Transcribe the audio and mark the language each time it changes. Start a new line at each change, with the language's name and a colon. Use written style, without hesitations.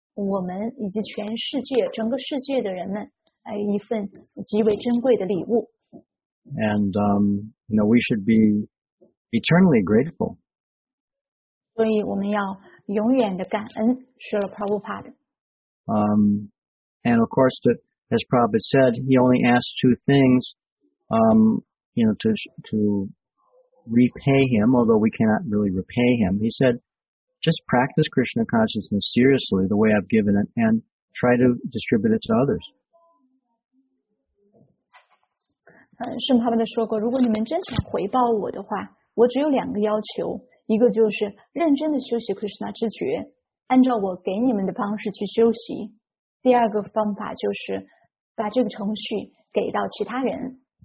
Chinese: 我们以及全世界整个世界的人们一份极为珍贵的礼物。
English: And, you know, we should be eternally grateful.
Chinese: 所以我们要永远的感恩 Srila Prabhupada.
English: And of course, as Prabhupada said, he only asked two things, you know, to repay him, although we cannot really repay him. He said,Just practice Krishna consciousness seriously the way I've given it and try to distribute it to others.
Chinese: 圣帕帕的说过，如果你们真想回报我的话，我只有两个要求，一个就是认真的修习 Krishna 知觉，按照我给你们的方式去修习。第二个方法就是把这个程序给到其他人。